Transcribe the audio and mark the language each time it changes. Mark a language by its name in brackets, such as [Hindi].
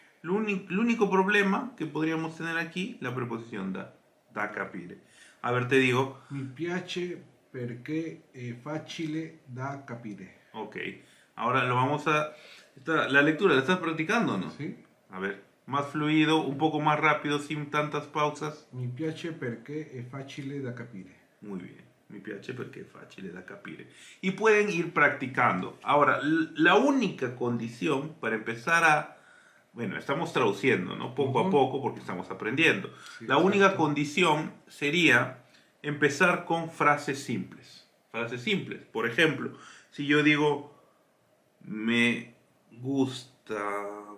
[Italian] L'unico problema che potremmo [Spanish] tener aquí, [Italian] la preposizione da capire. [Spanish] A ver, te digo. [Italian] Mi piace perché è facile da capire. [Spanish] Ok. Ahora lo vamos a... La lectura, ¿la estás practicando o no? Sí. A ver. Más fluido, un poco más rápido, sin tantas pausas. [Italian] Mi piace perché è facile da capire. [Spanish] Muy bien. [Italian] Mi piace perché è facile da capire. [Spanish] Y pueden ir practicando. Ahora, la única condición para empezar a... Bueno, estamos traduciendo, ¿no? Poco a poco, porque estamos aprendiendo. Sí, la única condición sería empezar con frases simples. Frases simples. Por ejemplo, si yo digo... Me gusta...